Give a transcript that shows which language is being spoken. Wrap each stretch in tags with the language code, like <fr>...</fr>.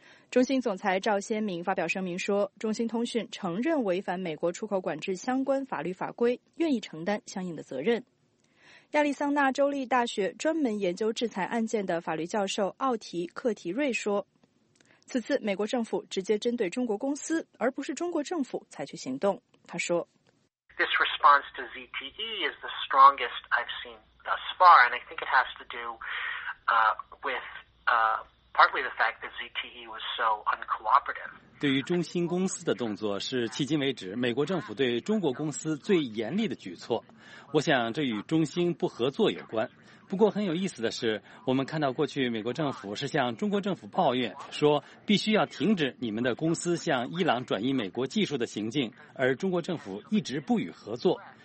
<zh>中兴总裁赵先明发表声明说，中兴通讯承认违反美国出口管制相关法律法规，愿意承担相应的责任。亚利桑那州立大学专门研究制裁案件的法律教授奥提·克提瑞说，此次美国政府直接针对中国公司，而不是中国政府采取行动。他说</zh> <en>This response to ZTE is the strongest I've seen thus far, and I think it has to do with partly the fact that ZTE was so uncooperative.</en> <zh>对于中兴公司的动作是迄今为止美国政府对中国公司最严厉的举措。我想这与中兴不合作有关。不过很有意思的是，我们看到过去美国政府是向中国政府抱怨，说必须要停止你们的公司向伊朗转移美国技术的行径，而中国政府一直不予合作。</zh>